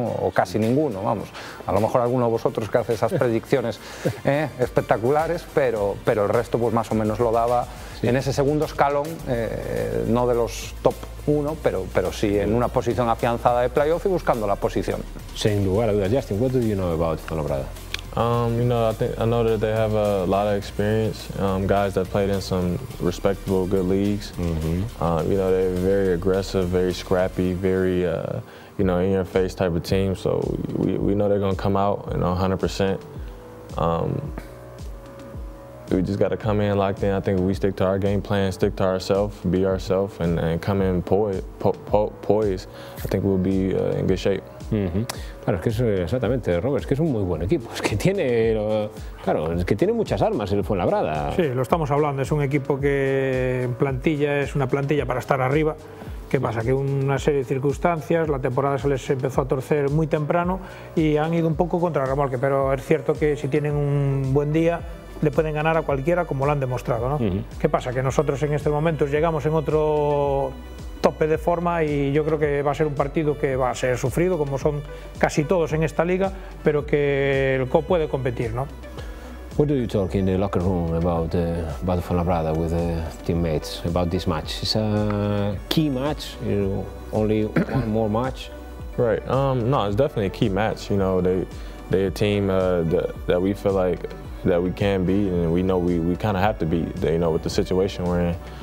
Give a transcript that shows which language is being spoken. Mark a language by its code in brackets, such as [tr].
[es] O casi ninguno, vamos. A lo mejor alguno de vosotros que hace esas predicciones espectaculares, pero el resto pues más o menos lo daba en ese segundo escalón, no de los top 1, pero sí en una posición afianzada de playoff y buscando la posición. Sin lugar a dudas. [en] Justin, what do you know about Fuenlabrada? You know, I know that they have a lot of experience, guys that played in some respectable good leagues. Mm-hmm. You know, they're very aggressive, very scrappy, very, you know, in-your-face type of team. So we know they're going to come out, you know, 100%. We just got to come in locked in. I think we stick to our game plan, stick to ourselves, be ourselves, and come in poised. I think we'll be in good shape. [es] Claro, es que es exactamente, Robert, es que es un muy buen equipo, es que tiene, claro, es que tiene muchas armas el Fuenlabrada. Sí, lo estamos hablando, es un equipo que en plantilla es una plantilla para estar arriba. ¿Qué pasa? Que una serie de circunstancias, la temporada se les empezó a torcer muy temprano y han ido un poco contra el remolque, pero es cierto que si tienen un buen día le pueden ganar a cualquiera, como lo han demostrado, ¿no? Uh-huh. ¿Qué pasa? Que nosotros en este momento llegamos en otro tope de forma y yo creo que va a ser un partido que va a ser sufrido, como son casi todos en esta liga, pero que el COP puede competir, ¿no? [en] What do you talk in the locker room about Fuenlabrada with the teammates about this match? It's a key match, you know, only one more match. Right. No, it's definitely a key match. You know, they're a team that we feel like that we can beat, and we know we kind of have to beat, you know, with the situation we're in.